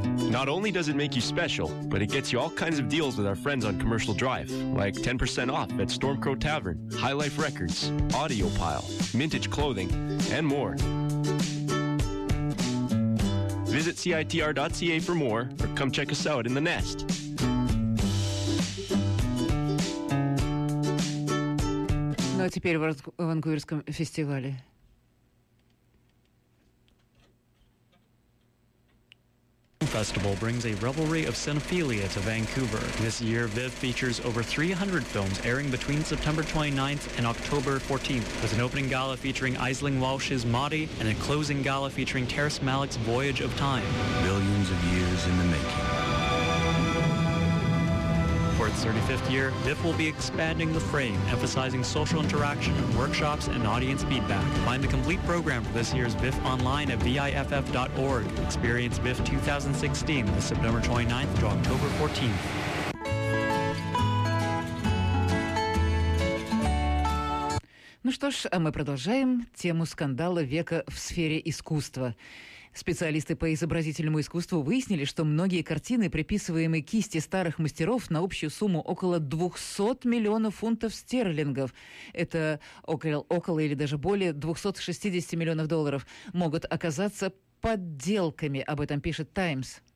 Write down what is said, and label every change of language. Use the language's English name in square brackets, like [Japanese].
[English] Not only does it make you special, but it gets you all kinds of deals with our friends on Commercial Drive, like 10% off at Stormcrow Tavern, High Life Records, Audio Pile, Mintage Clothing, and more. Visit CITR.ca for more, or come check us out in the Nest. [Russian] Ну, а теперь в Ванкуверском фестивале. [English] Festival brings a revelry of cinephilia to Vancouver. This year, VIV features over 300 films airing between September 29th and October 14th, with an opening gala featuring Isling Walsh's Mahdi and a closing gala featuring Terrence Malick's Voyage of Time. Billions of years in the making. For its 35th year, VIF will be expanding the frame, emphasizing social interaction, workshops, and audience feedback. Find the complete program for this year's VIF online at viff.org. Experience VIF 2016, this September 29th to October 14th. [Russian] Ну что ж, а мы продолжаем тему скандала века в сфере искусства. Специалисты по изобразительному искусству выяснили, что многие картины, приписываемые кисти старых мастеров, на общую сумму около 200 миллионов фунтов стерлингов, это около или даже более 260 миллионов долларов, могут оказаться подделками, об этом пишет «Таймс».